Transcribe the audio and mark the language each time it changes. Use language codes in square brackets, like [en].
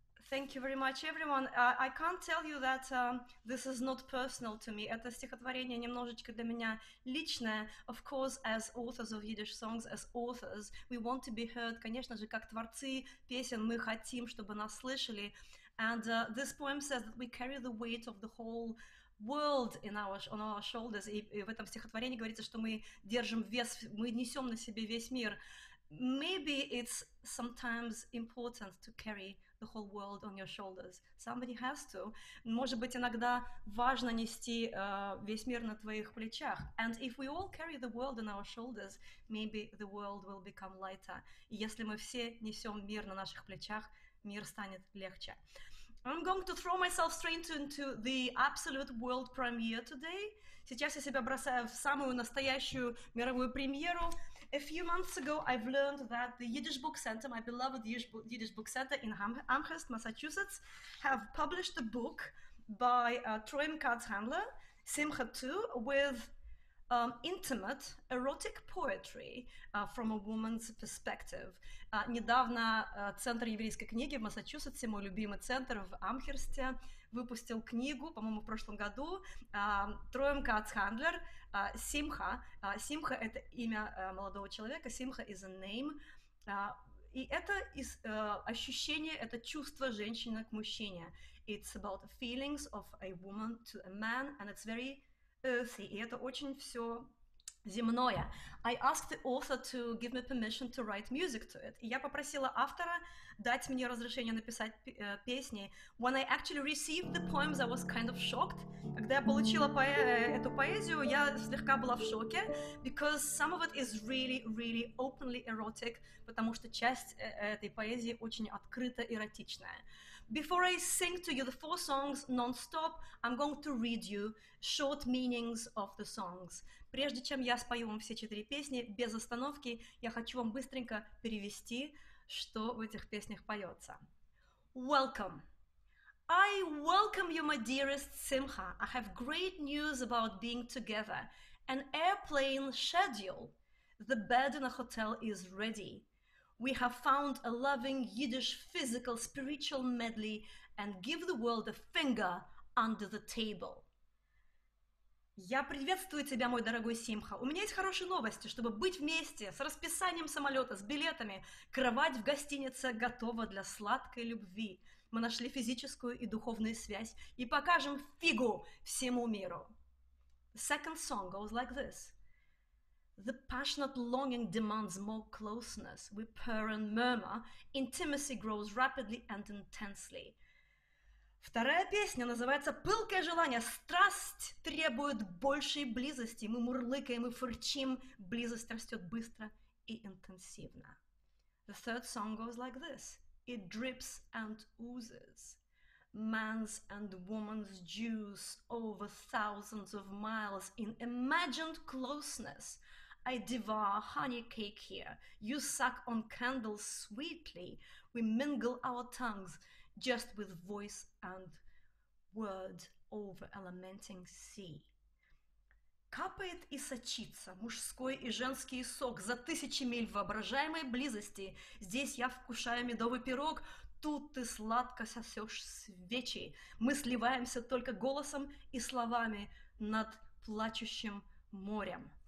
[en] Thank you very much, everyone. I can't tell you that this is not personal to me. [ru] Это стихотворение немножечко для меня личное. [en] Of course, as authors of Yiddish songs, as authors, we want to be heard. [ru] Конечно же, как творцы песен, мы хотим, чтобы нас слышали. [en] And this poem says that we carry the weight of the whole world in on our shoulders. [ru] И в этом стихотворении говорится, что мы держим вес, мы несем на себе весь мир. [en] Maybe it's sometimes important to carry the whole world on your shoulders. Somebody has to. [ru] Может быть, иногда важно нести весь мир на твоих плечах. [en] And if we all carry the world on our shoulders, maybe the world will become lighter. [ru] И если мы все несем мир на наших плечах, мир станет легче. [en] I'm going to throw myself straight into the absolute world premiere today. [ru] Сейчас я себя бросаю в самую настоящую мировую премьеру. [en] A few months ago, I've learned that the Yiddish Book Center, my beloved Yiddish Book Center in Amherst, Massachusetts, have published a book by Troim Katz Handler, Simcha 2, with intimate erotic poetry from a woman's perspective. [ru] Недавно Центр еврейской книги в Массачусетсе, мой любимый центр в Амхерсте, выпустил книгу, по-моему, в прошлом году, Троим Кац Хандлер, Симха. Симха — это имя молодого человека, Симха [en] is a name. [ru] И это ощущение, это чувство женщины к мужчине. [en] It's about the feelings of a woman to a man, and it's very earthy, [ru] и это очень все земное. [en] I asked the author to give me permission to write music to it. [ru] И я попросила автора дать мне разрешение написать песни. [en] When I actually received the poems, I was kind of shocked. [ru] Когда я получила эту поэзию, я слегка была в шоке, [en] because some of it is really, really openly erotic, [ru] потому что часть этой поэзии очень открыто эротичная. [en] Before I sing to you the four songs non-stop, I'm going to read you short meanings of the songs. [ru] Прежде чем я спою вам все четыре песни, без остановки, я хочу вам быстренько перевести, что в этих песнях поется. [en] Welcome. I welcome you, my dearest Simcha. I have great news about being together. An airplane schedule. The bed in a hotel is ready. We have found a loving Yiddish physical spiritual medley and give the world a finger under the table. [ru] Я приветствую тебя, мой дорогой Симха. У меня есть хорошие новости, чтобы быть вместе с расписанием самолета, с билетами. Кровать в гостинице готова для сладкой любви. Мы нашли физическую и духовную связь и покажем фигу всему миру. [en] The second song goes like this. The passionate longing demands more closeness. We purr and murmur. Intimacy grows rapidly and intensely. [ru] Вторая песня называется «Пылкое желание». Страсть требует большей близости. Мы мурлыкаем и фырчим. Близость растет быстро и интенсивно. [en] The third song goes like this. It drips and oozes. Man's and woman's juice over thousands of miles in imagined closeness. I devour honey cake here. You suck on candles sweetly. We mingle our tongues just with voice and word over a lamenting sea. [ru] Капает и сочится мужской и женский сок за тысячи миль воображаемой близости. Здесь я вкушаю медовый пирог, тут ты сладко сосешь свечи. Мы сливаемся только голосом и словами над плачущим морем.